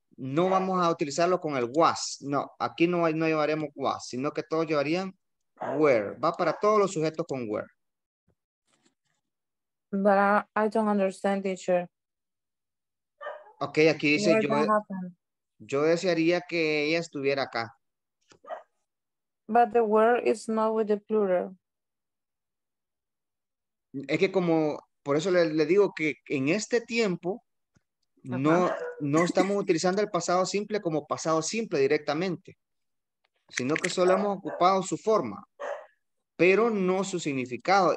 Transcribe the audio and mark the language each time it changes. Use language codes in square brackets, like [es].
[es] No vamos a utilizarlo con el was. No, aquí no llevaremos was, sino que todos llevarían where. Va para todos los sujetos con where. [en] But I don't understand, teacher. [es] Ok, aquí dice yo desearía que ella estuviera acá. [en] But the word is not with the plural. [es] Es que como, por eso le digo que en este tiempo no estamos utilizando el pasado simple como pasado simple directamente, sino que solo hemos ocupado su forma, pero no su significado.